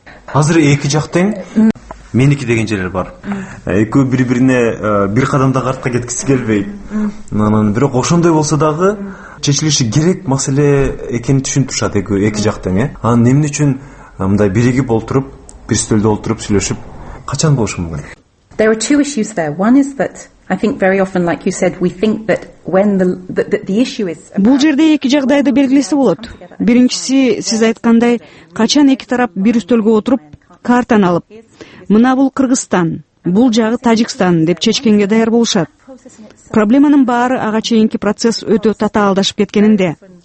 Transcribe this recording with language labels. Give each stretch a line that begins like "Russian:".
Kyrgyz: Азыр эки жак тең меники деген жерлер бар. Экөө бири бирине бир кадамдак артка кеткиси келбейт. Анан бирок ошондой болсо дагы чечилиши керек маселе экенин түшүнтүшөт эки жак тең, э? Анан эмне үчүн мындай биригип олтуруп, бир стөлдө олтуруп сүйлөшүп, качан болушу мүмкүн?
English: There are two issues there. One is that I think very often, like you said, we think that when the issue is
Kyrgyz: бул жерде эки жагдайды белгилеси болот. Биринчиси, сиз айткандай, качан эки тарап бир стөлгө отуруп, картаны алып, мына бул Кыргызстан, бул жагы Тажикстан деп чечкенге даяр болушат. Проблеманын баары ага чейинки процесс өтө татаалдашып кеткенинде.